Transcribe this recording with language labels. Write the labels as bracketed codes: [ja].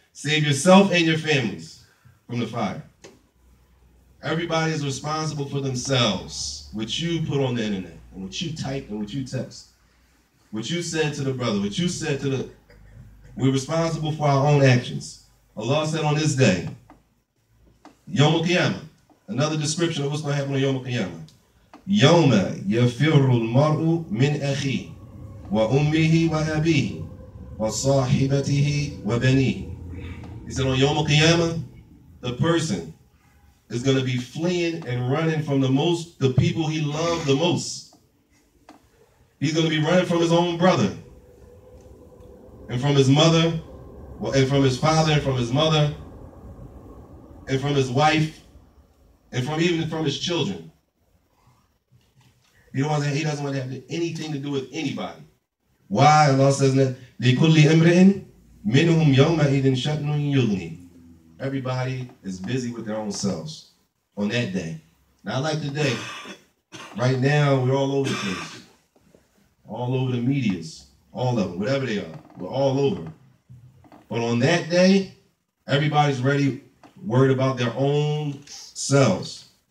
[en] Save yourself and your families from the fire. Everybody is responsible for themselves, what you put on the internet, and what you type, and what you text. What you said to the brother, what you said to the... We're responsible for our own actions. Allah said on this day, Yawm al-Qiyamah. Another description of what's going to happen on Yawm al-Qiyamah. [ar] يوم يفر المرء من أخيه وأمه وأبيه وصاحبته وبنيه. [en] He said on Yawm al-Qiyamah, the person is going to be fleeing and running from the people he loved the most. He's going to be running from his own brother and from his mother and from his father and from his mother and from his wife and from even from his children. He doesn't want to have anything to do with anybody. Why? Allah says, [ar] لِكُلِّ أَمْرِئٍ مِنْهُمْ يَوْمَ إِذٍ شَأْنٌ يُغْنِي. [en] Everybody is busy with their own selves on that day. Not like today. Right now, we're all over the place. All over the medias. All of them, whatever they are. We're all over. But on that day, everybody's ready, worried about their own selves.